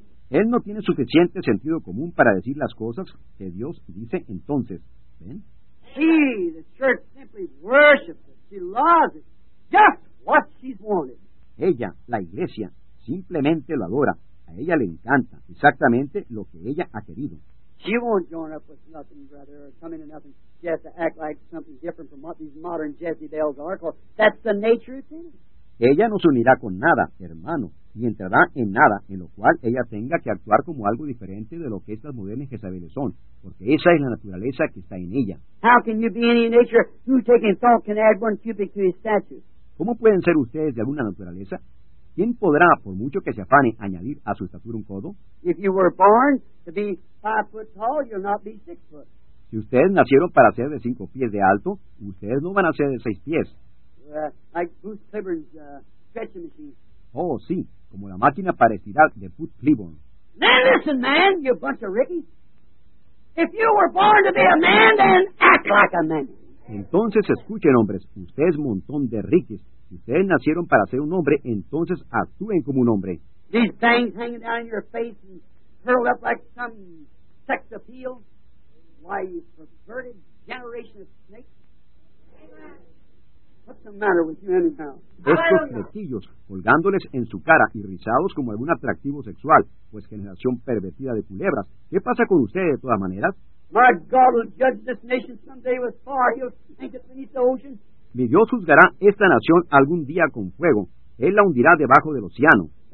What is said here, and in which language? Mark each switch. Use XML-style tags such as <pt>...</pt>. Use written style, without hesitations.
<es>Él no tiene suficiente sentido común para decir las cosas que Dios dice entonces. ¿Ven?</es> <en>She, the church, simply worships it. She loves it. Just what she's wanted.</en> <es>Ella, la iglesia, simplemente lo adora. A ella le encanta exactamente lo que ella ha querido.</es> <en>She won't join up with nothing, brother, or come into nothing. She has to act like something different from what these modern Jezebels are, because that's the nature of things.</en> <es>Ella no se unirá con nada, hermano, y entrará en nada en lo cual ella tenga que actuar como algo diferente de lo que estas modernas Jezebeles son, porque esa es la naturaleza que está en ella.</es> <en>How can you be any nature who, taking thought, can add one cubic to his stature?</en> <es>¿Cómo pueden ser ustedes de alguna naturaleza? ¿Quién podrá, por mucho que se afane, añadir a su estatura un codo?</es> <en>If you were born to be 5 foot tall, you'll not be 6 foot.</en> <es>Si ustedes nacieron para ser de 5 pies de alto, ustedes no van a ser de 6 pies.</es> <en>Like Bruce Cleburne's stretching machine.</en> <es>Oh, sí, como la máquina para estirar de Bruce Cleburne.</es> <en>Now listen, man, you bunch of rickies. If you were born to be a man, then act like a man.</en> <es>Entonces escuchen, hombres, ustedes montón de rickies. Si ustedes nacieron para ser un hombre, entonces actúen como un hombre.</es> <en>These things hanging down in your face and curled up like some sex appeal. Why, you perverted generation of snakes. What's the matter with you anyhow?</en> <es>Estos flequillos colgándoles en su cara y rizados como algún atractivo sexual, pues generación pervertida de culebras. ¿Qué pasa con ustedes de todas maneras?</es> <en>My God will judge this nation someday with fire. He'll sink it beneath the ocean.</en> <es>Mi Dios juzgará esta nación algún día con fuego. Él la hundirá debajo del océano.</es>